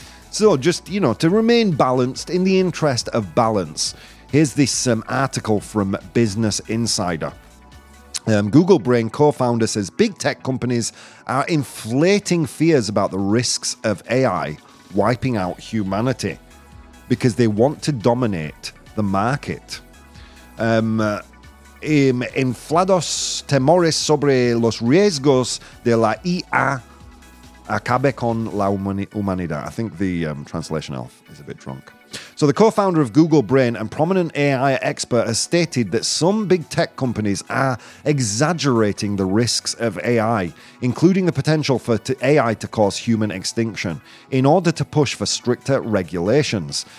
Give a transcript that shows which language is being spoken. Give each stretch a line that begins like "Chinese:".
English: So just, you know, to remain balanced in the interest of balance, here's this article from Business Insider. Google Brain co-founder says big tech companies are inflating fears about the risks of AI wiping out humanity because they want to dominate the market.
Spanish: Inflados temores sobre los riesgos de la IA acabe con la humanidad.
English: I think the translation elf is a bit drunk. So the co-founder of Google Brain and prominent AI expert has stated that some big tech companies are exaggerating the risks of AI, including the potential for AI to cause human extinction, in order to push for stricter regulations.